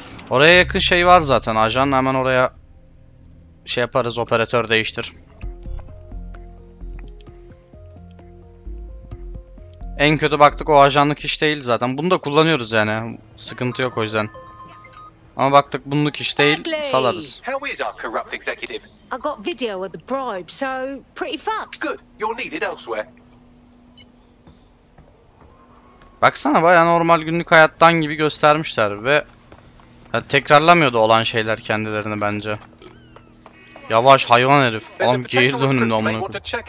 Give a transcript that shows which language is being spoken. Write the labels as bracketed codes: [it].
[tr] Oraya yakın şey var zaten, ajan. Hemen oraya şey yaparız, operatör değiştir. En kötü baktık o ajanlık iş değil zaten. Bunu da kullanıyoruz yani. Sıkıntı yok o yüzden. Ama baktık bunluk iş değil. Salarız. [en] How is our corrupt executive? I got video of the bribe, so pretty fucked. Good. You're needed elsewhere. [tr] Baksana bayağı normal günlük hayattan gibi göstermişler ve tekrarlamıyordu olan şeyler kendilerini bence. Yavaş hayvan herif. Oğlum geri dönümde amına koyayım.